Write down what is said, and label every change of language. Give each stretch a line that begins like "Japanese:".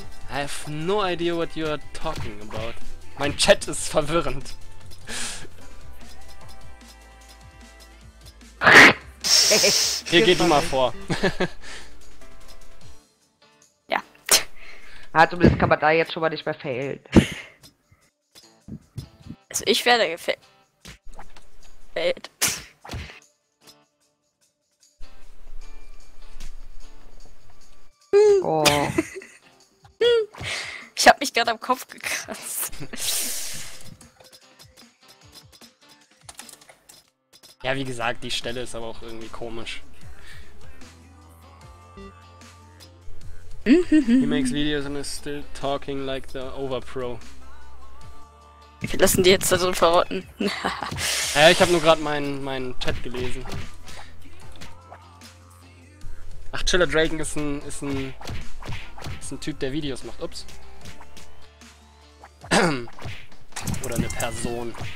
English: I have no idea what you are talking about.
German: Mein Chat ist verwirrend. Hier geht immer vor. Ja. Also zumindest kann man da jetzt schon mal nicht mehr failen. Also ich werde gefailt. Failed. Oh. Ich hab mich gerade am Kopf gekratzt. Ja, wie gesagt, die Stelle ist aber auch irgendwie komisch.
English: He makes videos and is still talking like the Overpro.
German: Wir lassen die jetzt da drin verrotten. ich hab nur gerade meinen Chat gelesen. Ach, Chiller Dragon ist ein Typ, der Videos macht. Ups. Oder eine Person.